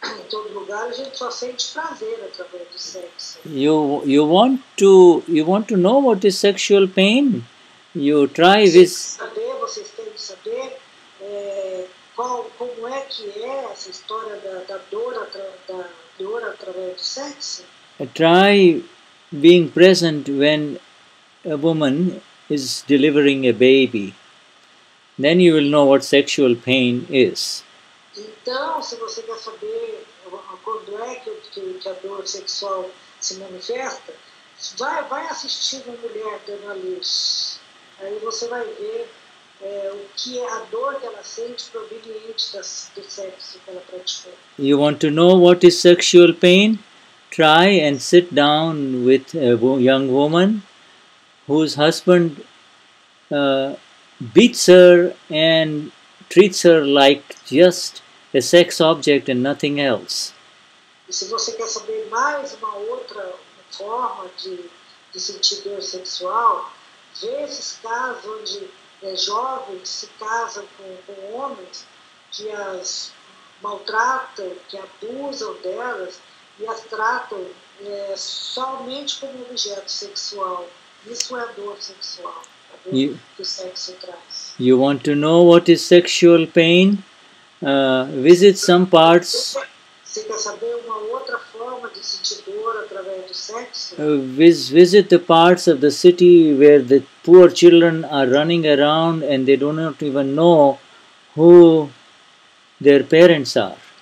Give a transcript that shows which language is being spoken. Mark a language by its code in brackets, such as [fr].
[pt] Todo lugar a gente só sente prazer através do sexo. [en] You want to know what is sexual pain? You try this. [pt] Vocês têm que saber. Como é que é essa história da dor através do sexo? [en] Try being present when a woman is delivering a baby. Then you will know what sexual pain is. [pt] Então, se você quer saber quando é que a dor sexual se manifesta, vai assistir uma mulher dando a luz. Aí você vai ver o que é a dor que ela sente proveniente do sexo que ela praticou. [en] You want to know what is sexual pain? Try and sit down with a young woman whose husband beats her and treats her like just a sex object and nothing else. [pt] E se você quer saber mais uma outra forma de sentir dor sexual, vê esses casos onde jovens se casam com homens que as maltratam, que abusam delas e as tratam somente como objeto sexual. Isso é a dor sexual, a dor que o sexo traz. [en] You want to know what is sexual pain? Visit some parts. [pt] Você quer saber uma outra forma de sentir dor através do sexo? [en] Visit the parts of the city where the poor children are running around and they do not even know who their parents are.